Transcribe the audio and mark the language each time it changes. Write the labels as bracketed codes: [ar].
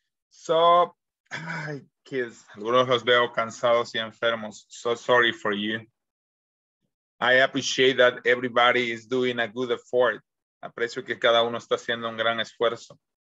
[es] So, ay, kids, algunos los veo cansados y enfermos. [en] So sorry for you. I appreciate that everybody is doing a good effort. [es] Aprecio que cada uno está haciendo un gran esfuerzo.